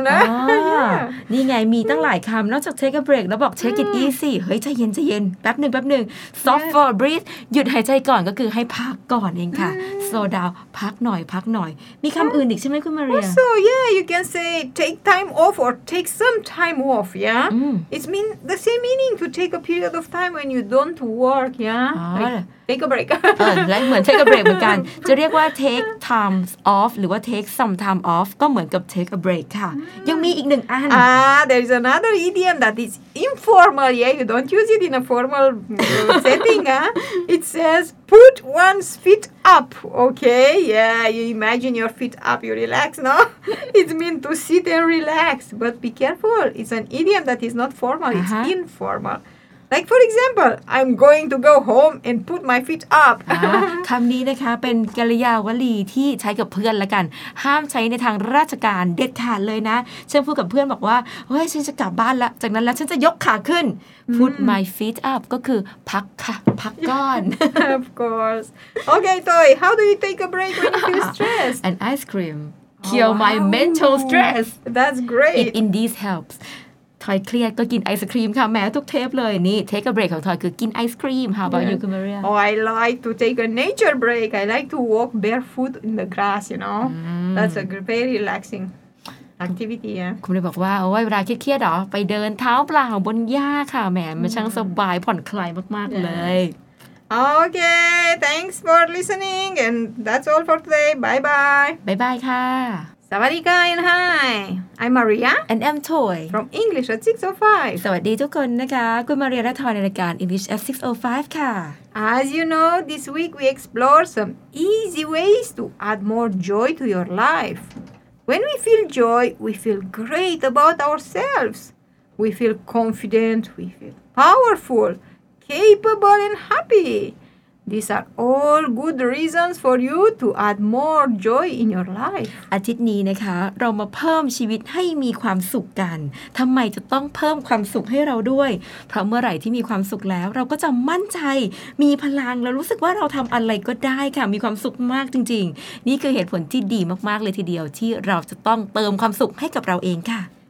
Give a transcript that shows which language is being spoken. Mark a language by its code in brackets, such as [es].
[en] yeah. [th] นี่ไงมีตั้งหลายคำนอกจาก [en] take a break [th] แล้วบอก [en] take it easy [th] เฮ้ยใจเย็นใจเย็นแป๊บนึงแป๊บนึง [en] stop for a breath [th] หยุดหายใจก่อนก็คือให้พักก่อนเองค่ะ [en] slow down [th] พักหน่อยพักหน่อยมีคำอื่นอีกใช่ไหมคุณมาเรีย [en] Also, yeah, you can say take time off or take some time off, yeah? It means the same meaning to take a period of time when you don't work, yeah? Take a break [th] และเหมือน [en] take a break [th] เหมือนกันจะเรียกว่า [en] take time off [th] หรือว่า [en] take some time off [th] ก็เหมือนกับ [en] take a break [th] ค่ะยังมีอีกหนึ่งอัน [en] there is another idiom that is informal yeah you don't use it in a formal setting it says put one's feet up okay yeah you imagine your feet up you relax no it means to sit and relax but be careful it's an idiom that is not formal it's informalLike, for example, I'm going to go home and put my feet up. [th] คำนี้นะคะเป็นกริยาวลีที่ใช้กับเพื่อนละกันห้ามใช้ในทางราชการเด็ดขาดเลยนะเช่นพูดกับเพื่อนบอกว่าเฮ้ยฉันจะกลับบ้านละจากนั้นแล้วฉันจะยกขาขึ้น [en] put my feet up [th] ก็คือพักค่ะพักก่อน [en] Of course. Okay, Toy, how do you take a break when you feel stressed? An ice cream. Cure my mental stress. That's great. It indeed helps. [th] ทอยเครียดก็กินไอศครีมค่ะแม้ทุกเทปเลยนี่ [en] take a break [th] ของทอยคือกินไอศครีม [en] How about you, Maria? Oh, I like to take a nature break. I like to walk barefoot in the grass, you know. That's a very relaxing activity, yeah. [th] คุณเลยบอกว่าโอ้ยเวลาเครียดเหรอไปเดินเท้าเปล่าบนหญ้าค่ะแม้มันช่างสบายผ่อนคลายมากๆเลย [en] Okay, thanks for listening and that's all for today. Bye-bye. Bye-bye ค่ะ [th] สวัสดีค่ะแอนฮาย [en] I'm Maria and I'm Toy from English at 605 [th] สวัสดีทุกคนนะคะคุณมาเรียและทอยในรายการ English at 605ค่ะ [en] As you know this week we explore some easy ways to add more joy to your life When we feel joy we feel great about ourselves we feel confident we feel powerful capable and happyThese are all good reasons for you to add more joy in your life. [th] อาทิตย์นี้นะคะเรามาเพิ่มชีวิตให้มีความสุขกันทำไมจะต้องเพิ่มความสุขให้เราด้วยเพราะเมื่อไหร่ที่มีความสุขแล้วเราก็จะมั่นใจมีพลังและรู้สึกว่าเราทำอะไรก็ได้ค่ะมีความสุขมากจริงๆนี่คือเหตุผลที่ดีมากๆเลยทีเดียวที่เราจะต้องเติมความสุขให้กับเราเองค่ะ